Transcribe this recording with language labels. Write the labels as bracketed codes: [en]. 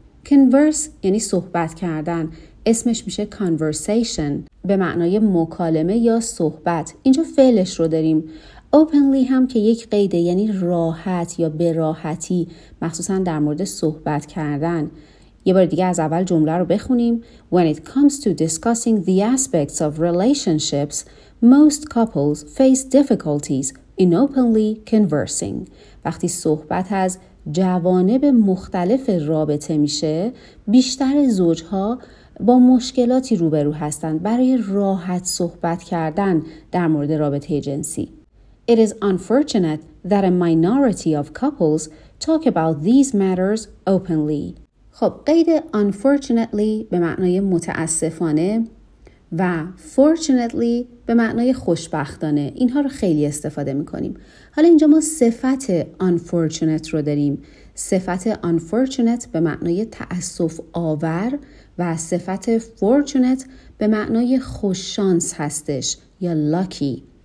[fa] Converse یعنی صحبت کردن، اسمش میشه conversation به معنای مکالمه یا صحبت. اینجا فعلش رو داریم. Openly هم که یک قیده، یعنی راحت یا براحتی، مخصوصا در مورد صحبت کردن. یه بار دیگه از اول جمله رو بخونیم. [en] When it comes to discussing the aspects of relationships, most couples face difficulties in openly conversing. [fa] وقتی صحبت از جوانب مختلف رابطه میشه، بیشتر زوجها با مشکلاتی روبرو هستند برای راحت صحبت کردن در مورد رابطه جنسی. [en] It is unfortunate that a minority of couples talk about these matters openly. [fa] خب قید unfortunately به معنای متاسفانه و fortunately به معنای خوشبختانه، اینها رو خیلی استفاده میکنیم. حالا اینجا ما صفت unfortunate رو داریم. صفت unfortunate به معنای تأسف آور و صفت fortunate به معنای خوششانس هستش یا lucky.